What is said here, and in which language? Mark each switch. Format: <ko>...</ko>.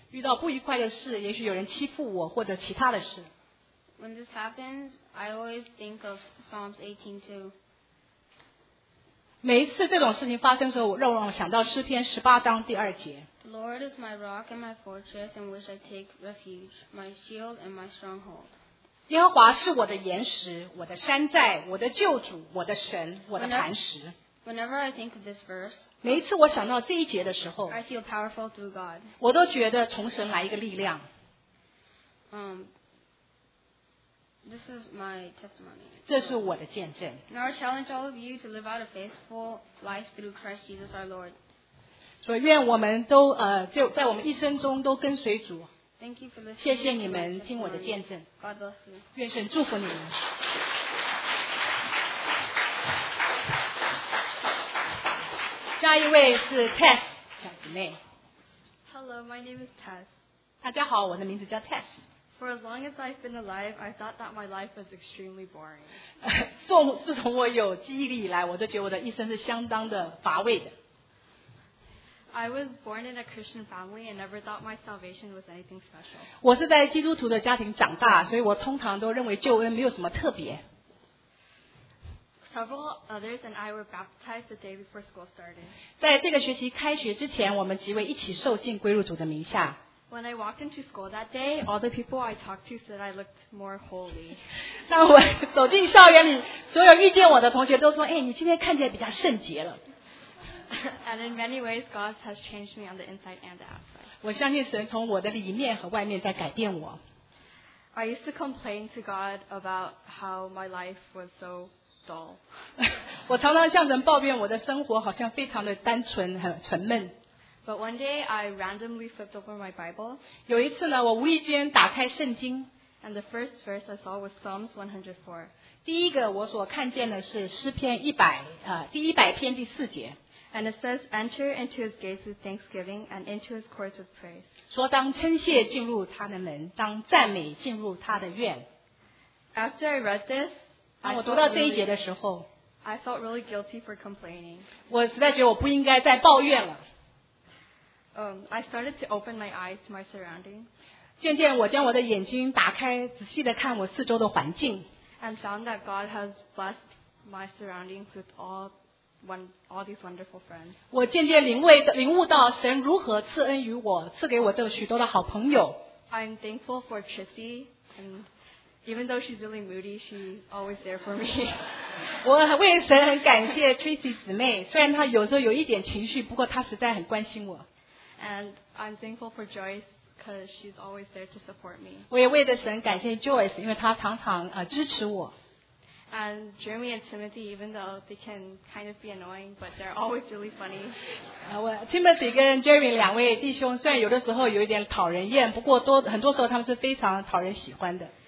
<zh>遇到不愉快的事，也许有人欺负我，或者其他的事。</zh> <en>When this happens, I always think of Psalms 18:2.</en> <zh>每一次这种事情发生的时候，让我想到诗篇十八章第二节。</zh> <en>The Lord is my rock and my fortress in which I take refuge, my shield and my stronghold.</en> <zh>耶和华是我的岩石，我的山寨，我的救主，我的神，我的磐石。</zh> <en>Whenever I think of this verse,</en> <zh>每一次我想到这一节的时候</zh> <en>I feel powerful through God.</en> <zh>我都觉得从神来一个力量。</zh> <en>This is my testimony.</en> <zh>这是我的见证。</zh> <en>Now I challenge all of you to live out a faithful life through Christ Jesus our Lord.</en> <zh>所以愿我们都就在我们一生中都跟随主。</zh> <en>Thank you for listening.</en> <zh>谢谢你们听我的见证。</zh> <en>God bless you.</en> <zh>愿神祝福你们。下一位是 Tess 小姐妹。</zh> <en>Hello, my name is Tess.</en> <zh>大家好，我的名字叫 Tess.</zh> <en>For as long as I've been alive, I thought that my life was extremely boring.</en> <zh>自从我有记忆力以来，我就觉得我的一生是相当的乏味的。</zh> <en>I was born in a Christian family and never thought my salvation was anything special.</en> <zh>我是在基督徒的家庭长大，所以我通常都认为救恩没有什么特别。</zh> <en>Several others and I were baptized the day before school started.</en> <zh>在这个学期开学之前，我们几位一起受浸归入主的名下。</zh> <en>When I walked into school that day, all the people I talked to said I looked more holy.</en> <zh>当我走进校园里，所有遇见我的同学都说：“哎，你今天看起来比较圣洁了。”</zh> <en>And in many ways, God has changed me on the inside and the outside.</en> <zh>我相信神从我的里面和外面在改变我。</zh> <en>I used to complain to God about how my life was so dull.</en> <zh>我常常向神抱怨我的生活好像非常的单纯和沉闷。</zh> <en>But one day, I randomly flipped over my Bible.</en> <zh>有一次呢，我无意间打开圣经。</zh> <en>And the first verse I saw was Psalms 104.</en> <zh>第一个我所看见的是诗篇第一百篇第四节。</zh> <en>And it says, enter into his gates with thanksgiving and into his courts with praise.</en> <zh>说当称谢进入他的门，当赞美进入他的院。</zh> <en>After I read this,</en> <zh>当我读到这一节的时候，</zh> <en>I felt really guilty for complaining.</en> <zh>我实在觉得我不应该再抱怨了。</zh> <en>I started to open my eyes to my surroundings.</en> <zh>渐渐我将我的眼睛打开，仔细地看我四周的环境。</zh> <en>And found that God has blessed my surroundings with all these wonderful friends.</en> <zh>我渐渐领悟到神如何赐恩于我，赐给我的许多的好朋友。</zh> <en>I'm thankful for Chrissy, and even though she's really moody, she's always there for me.</en> <zh>我为神很感谢 Chrissy 姊妹，虽然她有时候有一点情绪，不过她实在很关心我。</zh> <en>And I'm thankful for Joyce because she's always there to support me.</en> <zh>我也为着神感谢 Joyce， 因为她常常支持我。</zh> <en>And Jeremy and Timothy, even though they can kind of be annoying, but they're always really funny.</en> <zh>我 Timothy 跟 Jeremy 两位弟兄虽然有的时候有一点讨人厌，不过很多时候他们是非常讨人喜欢的。</zh>